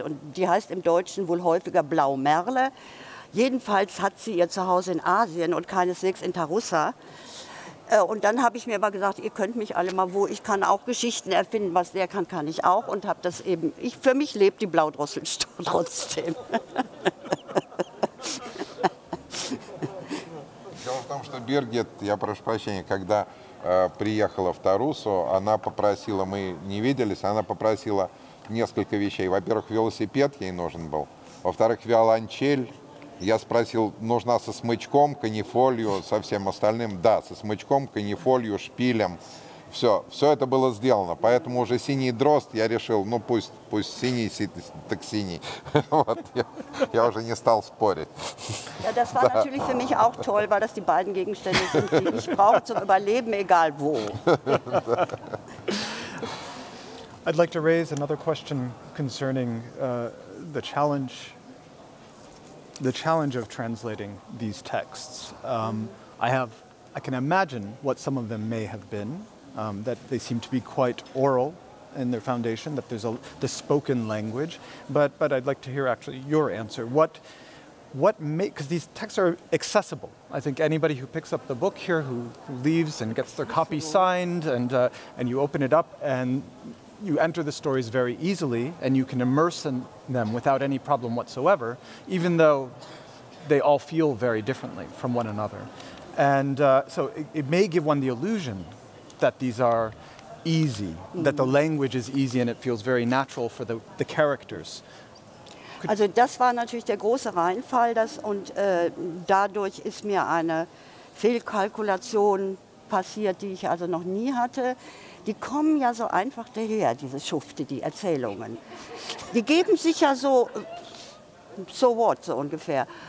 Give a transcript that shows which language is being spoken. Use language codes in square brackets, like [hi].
[de] Und die heißt im Deutschen wohl häufiger Blaumerle. Jedenfalls hat sie ihr Zuhause in Asien und keineswegs in Tarusa. Und dann habe ich mir aber gesagt, ihr könnt mich alle mal, wo ich kann auch Geschichten erfinden, was der kann, kann ich auch. Und habe das eben, ich, für mich lebt die Blaudrossel trotzdem. [ru] Дело в том, что Birgit, я прошу прощения, когда приехала в Тарусу, она попросила, мы не виделись, она попросила несколько вещей. Во-первых, велосипед ей нужен был. Во-вторых, виолончель. Я спросил, нужна со смычком, канифолью, со всем остальным. Да, со смычком, канифолью, шпилем. Все, все это было сделано. Поэтому уже синий дрозд, я решил, ну пусть синий, так синий. Вот, я уже не стал спорить. [de] Ja, das war да. Natürlich für mich auch toll, weil das die beiden Gegenstände sind, die ich brauche zum Überleben, egal wo. [en] I'd like to raise another question concerning the challenge. The challenge of translating these texts, I can imagine what some of them may have been, that they seem to be quite oral in their foundation, that there's the spoken language, but I'd like to hear actually your answer. What makes, because these texts are accessible. I think anybody who picks up the book here, who leaves and gets their copy signed, and you open it up and you enter the stories very easily and you can immerse in them without any problem whatsoever, even though they all feel very differently from one another. And so it may give one the illusion that these are easy, mm-hmm. that the language is easy and it feels very natural for the characters. [de] Also das war natürlich der große Reinfall, das, und dadurch ist mir eine Fehlkalkulation passiert, die ich also noch nie hatte. Die kommen ja so einfach daher, diese Schufte, die Erzählungen. Die geben sich ja so, [en] so what, [de] so ungefähr.